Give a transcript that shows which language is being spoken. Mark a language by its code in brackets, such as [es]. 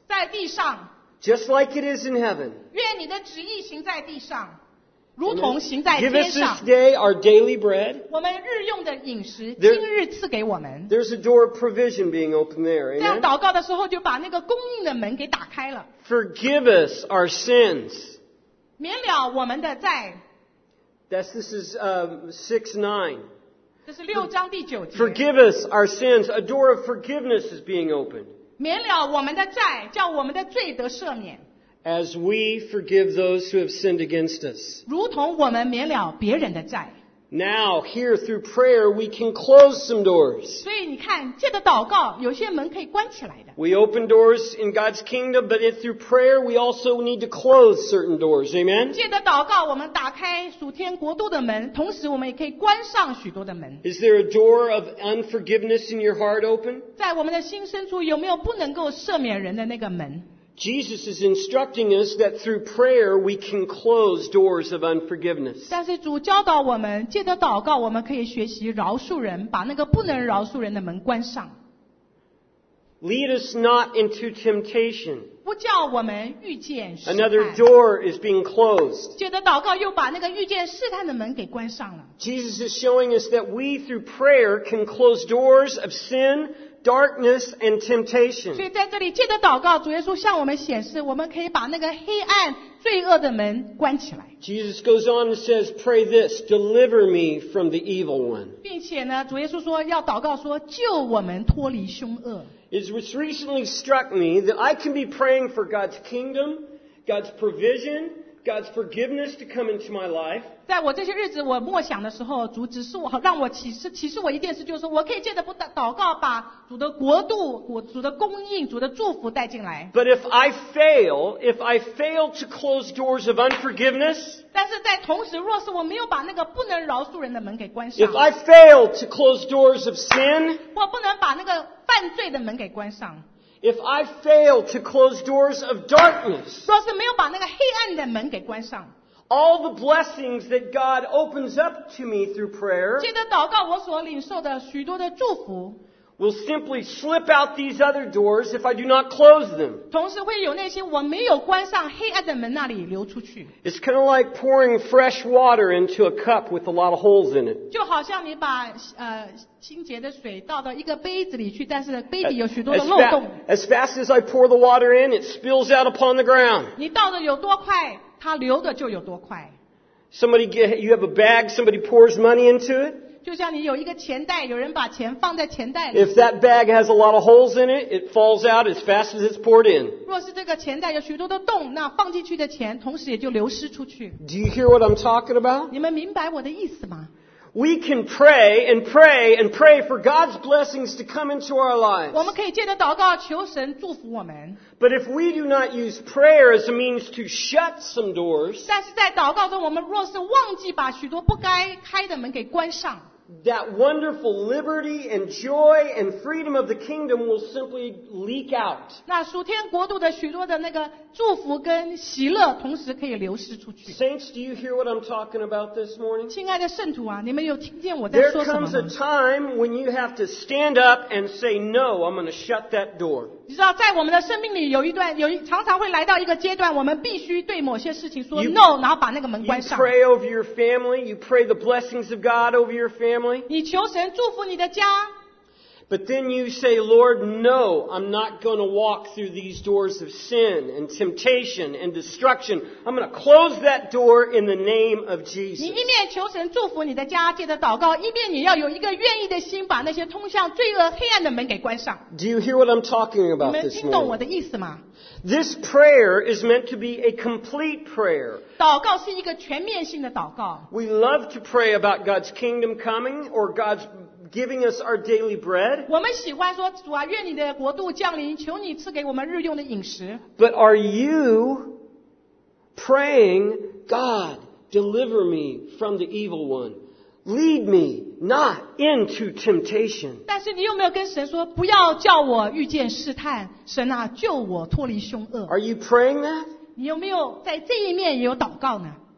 [zh] 在地上 [en] Just like it is in heaven. [zh] 愿你的旨意行在地上如同行在天上 [en] Give us this day our daily bread. [zh] 我们日用的饮食今日赐给我们 [en] There's a door of provision being opened there. [zh] 这样祷告的时候就把那个供应的门给打开了 [en] Forgive us our sins. [zh] 免了我们的债 [en] This is 6:9. [zh] 这是六章第九节。 [en] Forgive us our sins. A door of forgiveness is being opened. [zh] 免了我们的债，叫我们的罪得赦免。 [en] As we forgive those who have sinned against us. [zh] 如同我们免了别人的债。 [en] Now, here through prayer, we can close some doors. [zh] 所以你看，借着祷告，有些门可以关起来的。 [en] We open doors in God's kingdom, but if through prayer, we also need to close certain doors. Amen? [zh] 借着祷告，我们打开属天国度的门，同时我们也可以关上许多的门。 [en] Is there a door of unforgiveness in your heart open? [zh] 在我们的心深处，有没有不能够赦免人的那个门？ [en] Jesus is instructing us that through prayer we can close doors of unforgiveness. [zh] 但是主教导我们，借着祷告，我们可以学习饶恕人，把那个不能饶恕人的门关上。 [en] Lead us not into temptation. [zh] 不叫我们遇见试探。 [en] Another door is being closed. [zh] 借着祷告，又把那个遇见试探的门给关上了。 [en] Jesus is showing us that we through prayer can close doors of sin. Darkness and temptation. [zh] 所以在这里借着祷告，主耶稣向我们显示，我们可以把那个黑暗、罪恶的门关起来。 [en] Jesus goes on and says, "Pray this: Deliver me from the evil one." [zh] 并且呢，主耶稣说要祷告说，救我们脱离凶恶。 [en] It was recently struck me that I can be praying for God's kingdom, God's provision. God's forgiveness to come into my life. [zh] 在我这些日子我默想的时候主只是我让我启示我一件事就是说我可以借着祷告把主的国度主的供应主的祝福带进来。 [en] But if I fail to close doors of unforgiveness, [zh] 但是在同时若是我没有把那个不能饶恕人的门给关上。 [en] If I fail to close doors of sin, [zh] 我不能把那个犯罪的门给关上。 [en] If I fail to close doors of darkness, [zh] 若是没有把那个黑暗的门给关上 [en] all the blessings that God opens up to me through prayer, [zh] 借着祷告我所领受的许多的祝福 [en] will simply slip out these other doors if I do not close them. [zh] 同时会有那些我没有关上黑暗的门那里流出去 [en] It's kind of like pouring fresh water into a cup with a lot of holes in it. [zh] 就好像你把清洁的水倒到一个杯子里去，但是杯底有许多的漏洞。 [en] As fast as I pour the water in, it spills out upon the ground. [zh] 你倒的有多快，它流的就有多快。 [en] Somebody get, you have a bag, somebody pours money into it. [zh] 就像你有一个钱袋，有人把钱放在钱袋里。 [en] If that bag has a lot of holes in it, it falls out as fast as it's poured in. [zh] 若是这个钱袋有许多的洞，那放进去的钱同时也就流失出去。 [en] Do you hear what I'm talking about? [zh] 你们明白我的意思吗？ [en] We can pray and pray and pray for God's blessings to come into our lives. [zh] 我们可以借着祷告求神祝福我们。 [en] But if we do not use prayer as a means to shut some doors, [zh] 但是在祷告中，我们若是忘记把许多不该开的门给关上。 [en] That wonderful liberty and joy and freedom of the kingdom will simply leak out. [zh] 那属天国度的许多的那个祝福跟喜乐同时可以流失出去。 [en] Saints, do you hear what I'm talking about this morning? [zh] 亲爱的圣徒啊，你们有听见我在说什么吗？ [en] There comes a time when you have to stand up and say, "No, I'm going to shut that door." [zh] 你知道，在我们的生命里有一段，有一常常会来到一个阶段，我们必须对某些事情说 no， 然后把那个门关上。 [en] You pray over your family. You pray the blessings of God over your family. [zh] 你求神祝福你的家。 [en] But then you say, Lord, no, I'm not going to walk through these doors of sin and temptation and destruction. I'm going to close that door in the name of Jesus. [zh] 你一面求神祝福你的家，借着祷告，一面你要有一个愿意的心，把那些通向罪恶黑暗的门给关上。 [en] Do you hear what I'm talking about this morning? [zh] 你们听懂我的意思吗？ [en] This prayer is meant to be a complete prayer. [zh] 祷告是一个全面性的祷告。 [en] We love to pray about God's kingdom coming or God'sGiving us our daily bread. [zh] 我们喜欢说主啊，愿你的国度降临，求你赐给我们日用的饮食。 [en] But are you praying, God, deliver me from the evil one? Lead me not into temptation. [zh] 但是你有没有跟神说，不要叫我遇见试探，神啊，救我脱离凶恶。 [en] Are you praying that? [zh] 你有没有在这一面也有祷告呢？